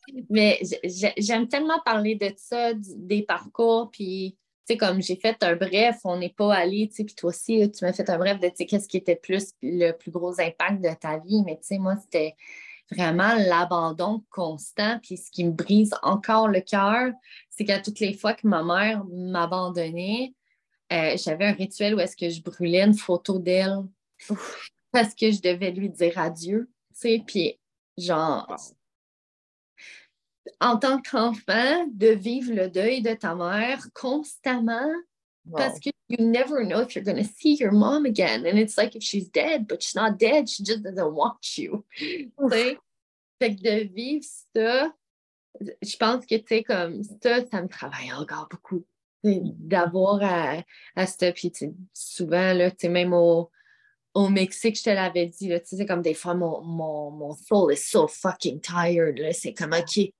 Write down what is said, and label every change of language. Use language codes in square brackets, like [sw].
[fr] Mais j'aime tellement parler de ça, des parcours, puis tu sais, comme j'ai fait un bref, on n'est pas allé, tu sais, puis toi aussi, tu m'as fait un bref de, tu sais, qu'est-ce qui était le plus gros impact de ta vie, mais tu sais, moi, c'était vraiment l'abandon constant, puis ce qui me brise encore le cœur, c'est qu'à toutes les fois que ma mère m'abandonnait, j'avais un rituel où est-ce que je brûlais une photo d'elle, parce que je devais lui dire adieu, tu sais, puis genre... En tant qu'enfant, de vivre le deuil de ta mère constamment, wow. [en] Parce que you never know if you're going to see your mom again. And it's like if she's dead, but she's not dead, she just doesn't want you. [fr] Fait que de vivre ça, je pense que tu sais, comme ça me travaille encore beaucoup. D'avoir à ça, puis tu sais, souvent, là, tu sais, même au Mexique, je te l'avais dit, là, tu sais, c'est comme des fois, mon [en] soul is so fucking tired, [fr] là, c'est comme OK.